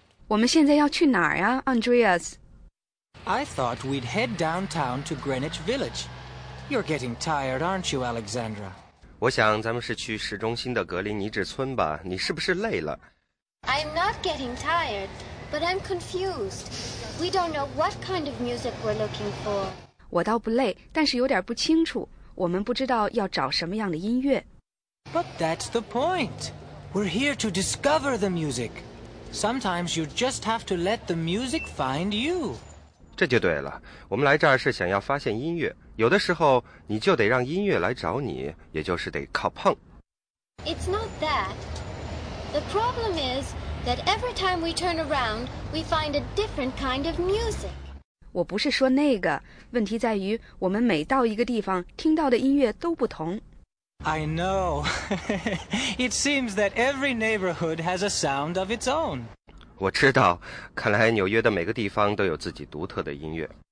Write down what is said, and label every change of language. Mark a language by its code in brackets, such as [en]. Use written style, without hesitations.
[zh] 我们现在要去哪儿呀 Andreas? [en] I thought we'd head downtown to Greenwich Village. You're getting tired, aren't you, Alexandra? [zh] 我想咱们是去市中心的格林尼治村吧，你是不是累了？ [en] I'm not getting tired, but I'm confused. We don't know what kind of music we're looking for. [zh] 我倒不累，但是有点不清楚，我们不知道要找什么样的音乐。 [en] But that's the point. We're here to discover the music. Sometimes you just have to let the music find you. [zh] 这就对了，我们来这儿是想要发现音乐。有的时候你就得让音乐来找你，也就是得靠碰。 [en] It's not that. The problem is that every time we turn around, we find a different kind of music. [zh] 我不是说那个，问题在于我们每到一个地方听到的音乐都不同。 [en] I know. It seems that every neighborhood has a sound of its own. [zh] 我知道，看来纽约的每个地方都有自己独特的音乐。